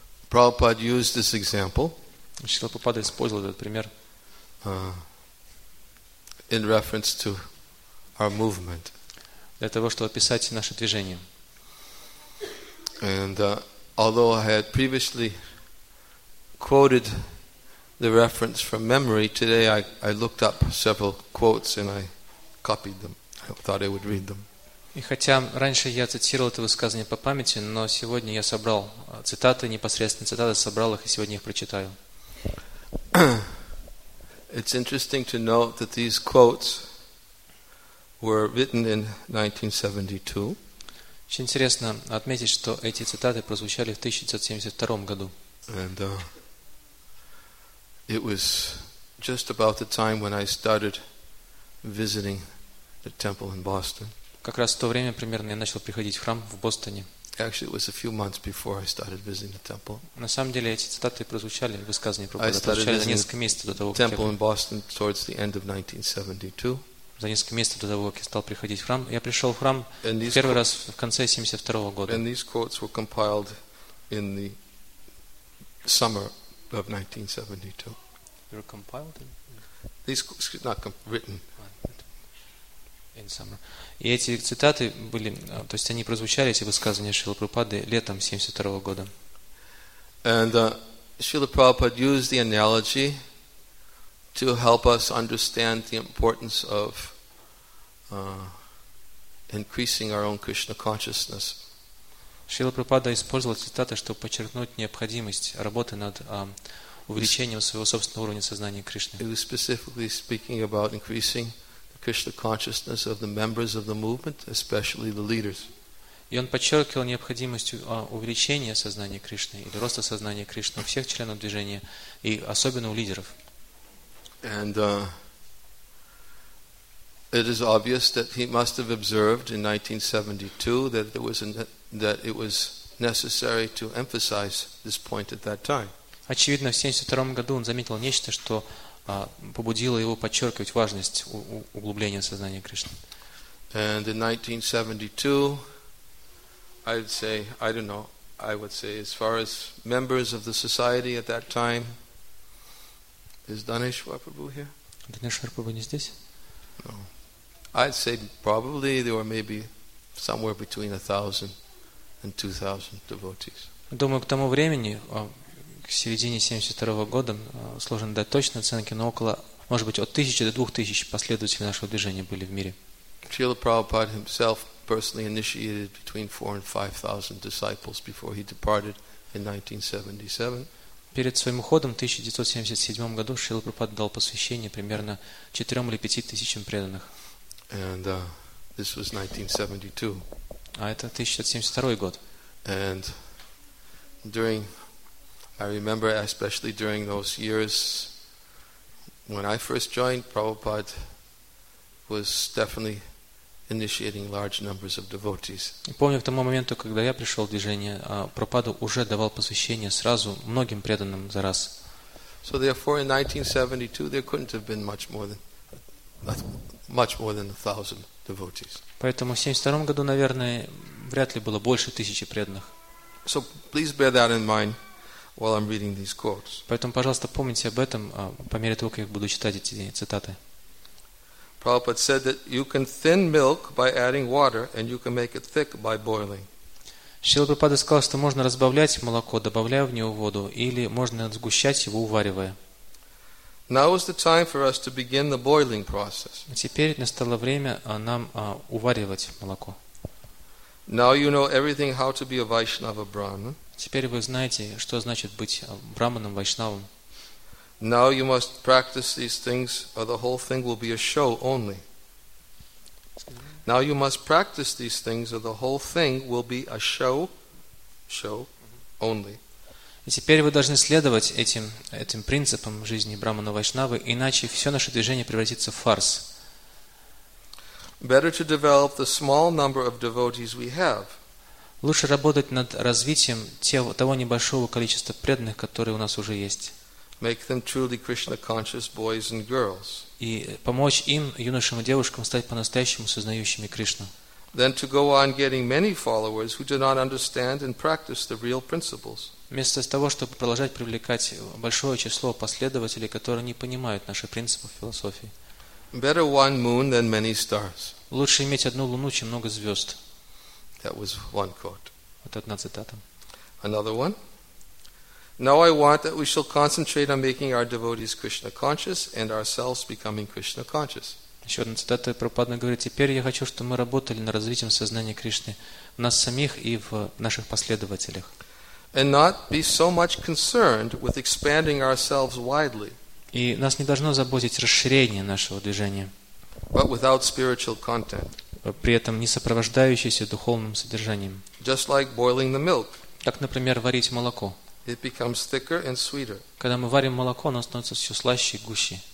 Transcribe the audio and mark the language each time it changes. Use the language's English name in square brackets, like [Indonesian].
[English] Prabhupada used this example. [Russian] Шрила Прабхупада использовал этот пример. [English] In reference to our movement. [Russian] Для того, чтобы описать наше движение. [English] And although I had previously quoted the reference from memory, today I looked up several quotes and I copied them. I thought I would read them. [Russian] И хотя раньше я цитировал это высказывание по памяти, но сегодня я собрал цитаты, непосредственно цитаты, собрал их и сегодня их прочитаю. [English] It's interesting to note that these quotes were written in 1972. [Russian] Очень интересно отметить, что эти цитаты прозвучали в 1972 году. [English] And it was just about the time when I started visiting the temple in Boston. [Russian] Как раз в то время примерно я начал приходить в храм в Бостоне. [English] Actually, it was a few months before I started visiting the temple. [Russian] На самом деле эти цитаты прозвучали в высказывании Прабхупады за несколько месяцев до того, как [English] temple in Boston towards the end of 1972. [Russian] За несколько месяцев до того, как я стал приходить в храм, я пришел в храм первый раз в конце 72 года. [English] And these quotes were compiled in the summer of 1972. They were compiled in. These quotes were not written. In summer. [Russian] И эти цитаты были, то есть они прозвучали, эти высказывания Шрилы Прабхупады летом 72 года. [English] And Srila Prabhupada used the analogy to help us understand the importance of increasing our own Krishna consciousness. [Russian] Шрила Прабхупада использовал цитаты, чтобы подчеркнуть необходимость работы над увеличением своего собственного уровня сознания Кришны. [English] He was specifically speaking about increasing the Krishna consciousness of the members of the movement, especially the leaders. [Russian] И он подчеркивал необходимость увеличения сознания Кришны или роста сознания Кришны у всех членов движения и особенно у лидеров. [English] And it is obvious that he must have observed in 1972 that there was that it was necessary to emphasize this point at that time. [Russian] Очевидно, в 72 году он заметил нечто, что побудило его подчеркивать важность углубления сознания Кришны. [English] And in 1972, I'd say, I don't know, I would say, as far as members of the society at that time. Is Daneshwar Prabhu here? [Russian] Daneshwar Prabhu не здесь? [English] No. I'd say probably there were maybe somewhere between 1,000 and 2,000 devotees. [Russian] Думаю, к тому времени, к середине 72 года, сложно дать точные оценки, но около может быть, от 1000 до 2000 последователей нашего движения были в мире. [English] Srila Prabhupada himself personally initiated between 4,000 and 5,000 disciples before he departed in 1977. [Russian] Перед своим уходом в 1977 году Шрила Прабхупада дал посвящение примерно 4 или 5 тысячам преданных. [English] And this was 1972. [Russian] А это 1972 год. [English] And during, I remember especially during those years when I first joined, Prabhupada was definitely initiating large numbers of devotees. [Russian] Помню, к тому моменту, когда я пришел в движение, Прабхупада уже давал посвящение сразу многим преданным за раз. [English] So therefore, in 1972, there couldn't have been much more than 1,000 devotees. [Russian] Поэтому в 1972 году, наверное, вряд ли было больше 1,000 преданных. [English] So please bear that in mind while I'm reading these quotes. [Russian] Поэтому, пожалуйста, помните об этом по мере того, как я буду читать эти цитаты. [English] Prabhupada said that you can thin milk by adding water and you can make it thick by boiling. [Russian] Шрила Прабхупада сказал, что можно разбавлять молоко, добавляя в него воду, или можно сгущать его, уваривая. [English] Now is the time for us to begin the boiling process. [Russian] Теперь настало время нам уваривать молоко. [English] Now you know everything how to be a Vaishnava Brahman. [Russian] Теперь вы знаете, что значит быть брахманом, вайшнавом. [English] Now you must practice these things or the whole thing will be a show only. Now you must practice these things or the whole thing will be a show only. [Russian] И теперь вы должны следовать этим принципам жизни брахмана вайшнавы, иначе все наше движение превратится в фарс. [English] Better to develop the small number of devotees we have. [Russian] Лучше работать над развитием того небольшого количества преданных, которые у нас уже есть. [English] Make them truly Krishna conscious boys and girls. [Russian] И помочь им, юношам и девушкам, стать по-настоящему сознающими Кришну. [English] Then to go on getting many followers who do not understand and practice the real principles. [Russian] Вместо того, чтобы продолжать привлекать большое число последователей, которые не понимают наши принципы философии. [English] Better one moon than many stars. [Russian] Лучше иметь одну луну, чем много звезд. [English] That was one quote. [Russian] Вот одна цитата. [English] Another one. Now I want that we shall concentrate on making our devotees Krishna conscious and ourselves becoming Krishna conscious. [Russian] Еще одна цитата Прабхупады говорит: теперь я хочу, чтобы мы работали над развитием сознания Кришны в нас самих и в наших последователях. [English] And not be so much concerned with expanding ourselves widely. [Russian] И нас не должно заботить расширение нашего движения. [English] But without spiritual content. [Russian] При этом не сопровождающееся духовным содержанием. [English] Just like boiling the milk. [Russian] Так, например, варить молоко. [English] It becomes thicker and sweeter. [Russian] Когда мы варим молоко, оно становится все слаще и гуще.